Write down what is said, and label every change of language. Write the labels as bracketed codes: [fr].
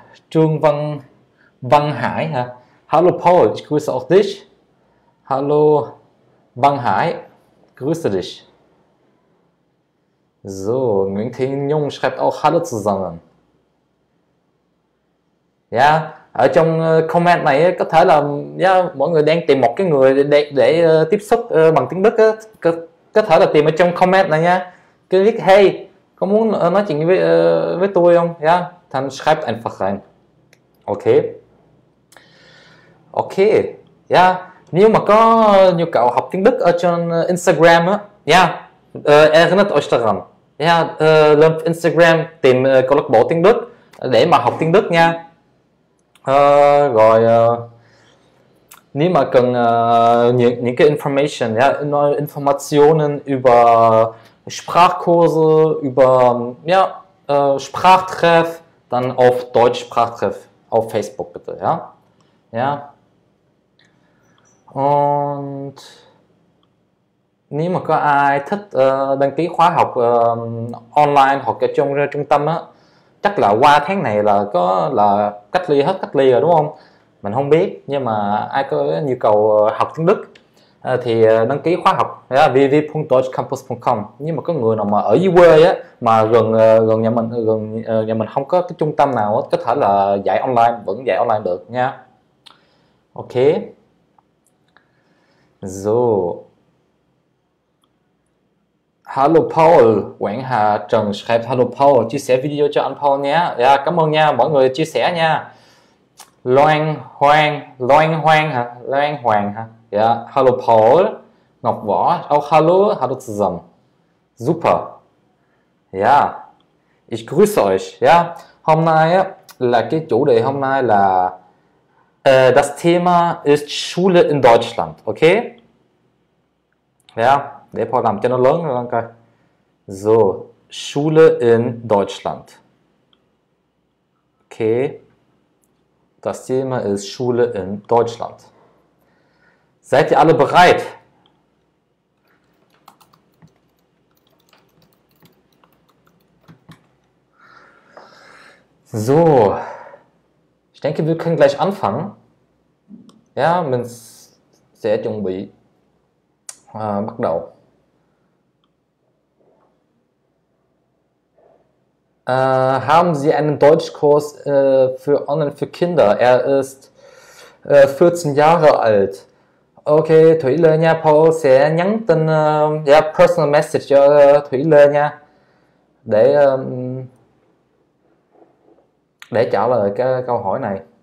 [de] Trương Văn Văn Hải. Ha? Hallo Paul, ich grüße auch dich. Hallo Văn Hải, grüße dich. So, Nguyễn Thiên Nhung schreibt auch, hallo zusammen. Ja. [vi] Ở trong comment này có thể là mọi người đang tìm một cái người để tiếp xúc bằng tiếng Đức á, có thể là tìm ở trong comment này nha. Cứ viết hey, có muốn nói chuyện với tôi không? [de] Ja, dann schreibt einfach rein. Ok. Ok. [vi] Ja, nếu mà có nhu cầu học tiếng Đức ở trên Instagram á, [de] erinnert euch daran. [vi] Ja, lên Instagram tìm câu lạc bộ tiếng Đức để mà học tiếng Đức nha. Rồi nếu mà cần những cái [de] information, Informationen über Sprachkurse, über Sprachtreff, dann auf Deutsch Sprachtreff auf Facebook bitte, ja. Ja. [vi] Und nếu mà có ai thích đăng ký khóa học online hoặc cái trong trung tâm á, chắc là qua tháng này là có là cách ly hết cách ly rồi đúng không? Mình không biết, nhưng mà ai có nhu cầu học tiếng Đức thì đăng ký khóa học www.deutschcampus.com. Nhưng mà có người nào mà ở dưới quê á, mà gần gần nhà mình, gần nhà mình không có cái trung tâm nào á, có thể là dạy online, vẫn dạy online được nha. Ok. [de] So. Hallo Paul, Quảng Hà Trần schreibt, hallo Paul, [vi] chia sẻ video cho anh Paul nhé. Ja, cảm ơn nha, mọi người chia sẻ nha. Loan Hoang hả? Loan Hoàng hả? [de] Ja, hallo Paul, Ngọc Võ, auch hallo, hallo zusammen. Super. Ja, ich grüße euch. [vi] Ja, hôm nay là cái chủ đề hôm nay là [de] das Thema ist Schule in Deutschland, [vi] okay? Ja. Để Paul làm cho nó lớn lên coi. [de] So, Schule in Deutschland. Okay. Das Thema ist Schule in Deutschland. Seid ihr alle bereit? So, ich denke, wir können gleich anfangen. [vi] Ja, mình sẽ chuẩn bị bắt đầu. [de] Haben Sie einen Deutschkurs für online für Kinder? Er ist 14 Jahre alt. [vi] Ok, Thủy Lê nha, Paul sẽ nhắn tin, [en] personal message [vi] cho Thủy Lê nha, để trả lời cái câu hỏi này.